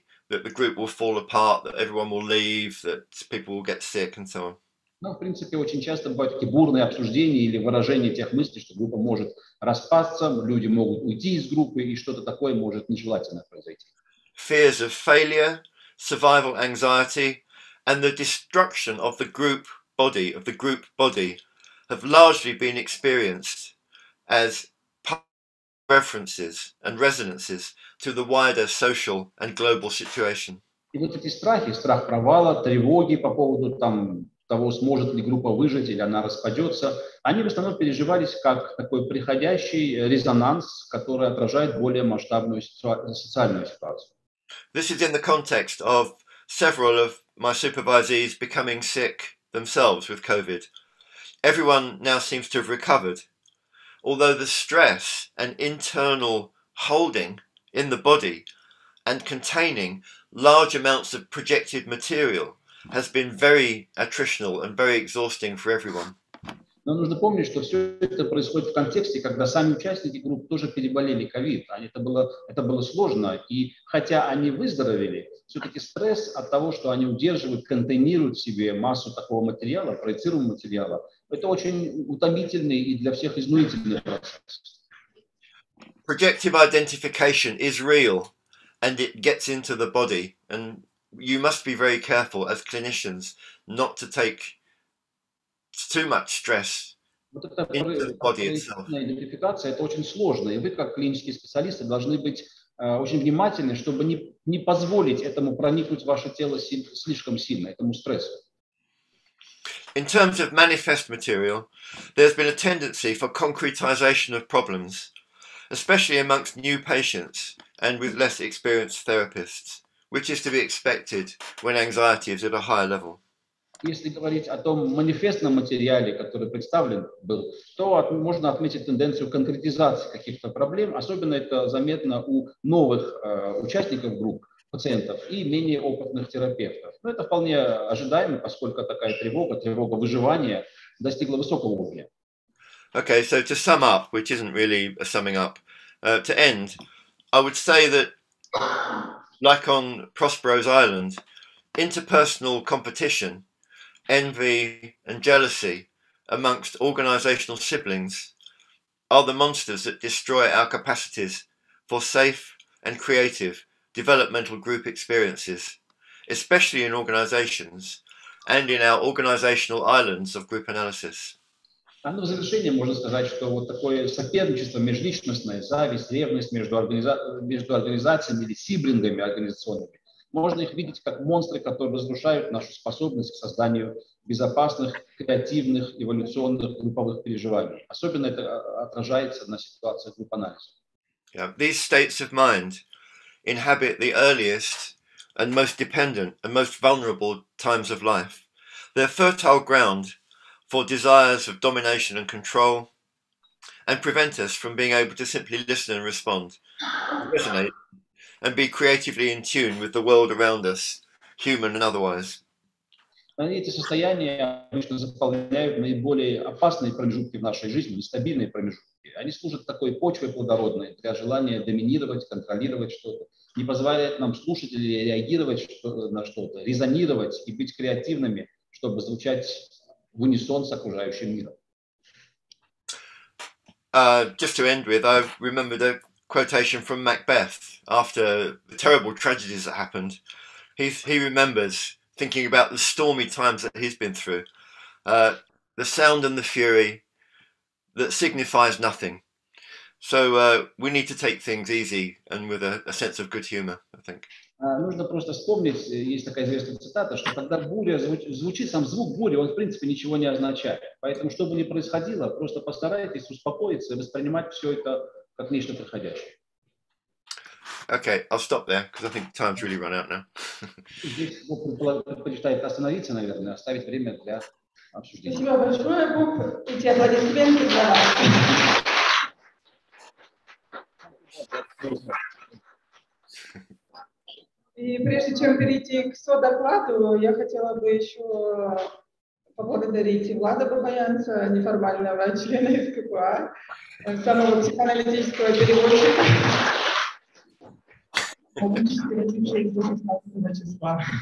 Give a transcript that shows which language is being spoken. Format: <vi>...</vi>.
<en>That the group will fall apart, that everyone will leave, that people will get sick and so on.</en> <ru>Ну, в принципе, очень часто бывают такие бурные обсуждения или выражения тех мыслей, что группа может распасться, люди могут уйти из группы, и что-то такое может нежелательно произойти.</ru> <en>Fears of failure, survival anxiety, and the destruction of the group body, have largely been experienced as references and resonances to the wider social and global situation.</en> <ru>И вот эти страхи, страх провала, тревоги по поводу там того, сможет ли группа выжить или она распадется, они в основном переживались как такой приходящий резонанс, который отражает более масштабную социальную ситуацию.</ru> <en>This is in the context of several of my supervisees becoming sick themselves with COVID. Everyone now seems to have recovered. Although the stress and internal holding in the body and containing large amounts of projected material has been very attritional and very exhausting for everyone.</en> <ru>Но нужно помнить, что все это происходит в контексте, когда сами участники группы тоже переболели COVID. Это было сложно. И хотя они выздоровели, все-таки стресс от того, что они удерживают, контейнируют в себе массу такого материала, проецируемого материала, это очень утомительный и для всех изнурительный процесс.</ru> <en>Projective identification is real, and it gets into the body. And you must be very careful as clinicians not to take too much stress</en> <ru>Идентификация — это очень сложно, и вы, как клинические специалисты, должны быть очень внимательны, чтобы не позволить этому проникнуть в ваше тело слишком сильно, этому стрессу.</ru> <en>In terms of manifest material, there's been a tendency for concretization of problems, especially amongst new patients and with less experienced therapists, which is to be expected when anxiety is at a higher level.</en> <ru>Если говорить о том манифестном материале, который представлен был, то можно отметить тенденцию конкретизации каких-то проблем, особенно это заметно у новых участников групп, пациентов и менее опытных терапевтов. Но это вполне ожидаемо, поскольку такая тревога выживания достигла высокого уровня.</ru> <en>Okay, so to sum up, which isn't really a summing up, to end, I would say that, like on Prospero's Island, interpersonal competition, envy and jealousy amongst organizational siblings are the monsters that destroy our capacities for safe and creative developmental group experiences, especially in organizations and in our organizational islands of group analysis.</en> <ru>А в завершение можно сказать, что вот такое соперничество межличностное, зависть, ревность между организациями или сиблингами организационными, можно их видеть как монстры, которые разрушают нашу способность к созданию безопасных, креативных, эволюционных групповых переживаний. Особенно это отражается на ситуации групп анализа.</ru> <en>Yeah. These states of mind inhabit the earliest and most dependent and most vulnerable times of life. They're fertile ground for desires of domination and control and prevent us from being able to simply listen and respond. Resonate. And be creatively in tune with the world around us, human and otherwise.</en> <ru>Эти состояния обычно заполняют наиболее опасные промежутки в нашей жизни, нестабильные промежутки. Они служат такой почвой плодородной для желания доминировать, контролировать что-то, не позволяют нам слушать или реагировать на что-то, резонировать и быть креативными, чтобы звучать в унисон с окружающим миром.</ru> <en>Just to end with, I remember the quotation from Macbeth. After the terrible tragedies that happened, he remembers thinking about the stormy times that he's been through. The sound and the fury that signifies nothing. So we need to take things easy and with a sense of good humor, I think.</en> <ru>Нужно просто вспомнить, есть такая известная цитата, что когда буря звучит, сам звук бури, он в принципе ничего не означает. Поэтому, что бы ни происходило, просто постарайтесь успокоиться и воспринимать все это как нечто проходящее.</ru> <en>Okay, I'll stop there because I think time's really run out now.</en> <ru>И прежде чем перейти к содокладу, я хотела бы еще поблагодарить Влада Бабаянца, неформального члена СКПА, самого психоаналитического переводчика.</ru>